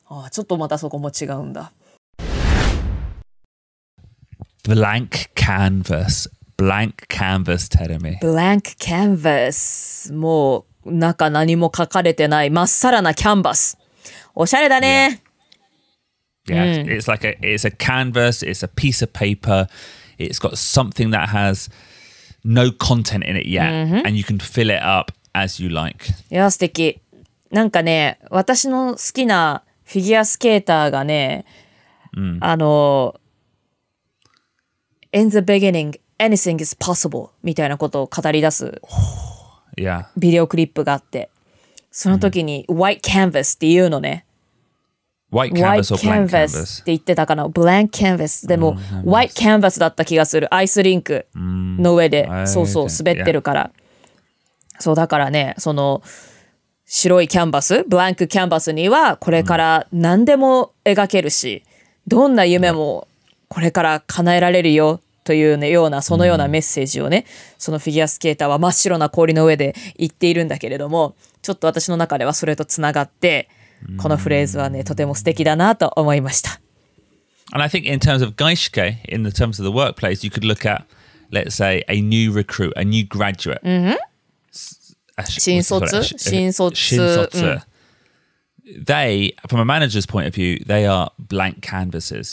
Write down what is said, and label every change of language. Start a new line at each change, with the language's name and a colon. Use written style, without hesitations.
English: Yeah.
Japanese: ああ、ちょっとまたそこも違うんだ。
English: blank canvas. Blank canvas, Terumi. Blank canvas.
Japanese: もう中何も書かれてない真っさらなキャンバス。おしゃれだね。
English: Yeah, yeah.、うん、it's like a, it's a canvas. It's a piece of paper. It's got something that has no content in it yet,、 mm-hmm. and you can fill it up as you like.
Japanese: いや素敵。なんかね、私の好きなフィギュアスケーターがね、 mm.
English: あの、in the beginning. Anything is possible
Japanese: みたいなことを語り出すビデオクリップがあって、その時に white canvas って言うのね。
English: white canvas or blank canvas
Japanese: って言ってたかな。blank canvas でも white canvas だった気がする。アイスリンクの上でそうそう滑ってるから、そうだからね、その白いキャンバス blank canvas にはこれから何でも描けるし、どんな夢もこれから叶えられるよ。というね、ような、そのようなメッセージをね、そのフィギュアスケーターは真っ白な氷の上で言っているんだけれども、ちょっと私の中ではそれとつながって、このフレーズはね、とても素敵だなと思いました。
English: And I think in terms of 外資系, in the terms of the workplace, you could look at, let's say, a new recruit, a new graduate.
Japanese: 新卒、新卒。新卒。
English: They, from a manager's point of view, they are blank canvases.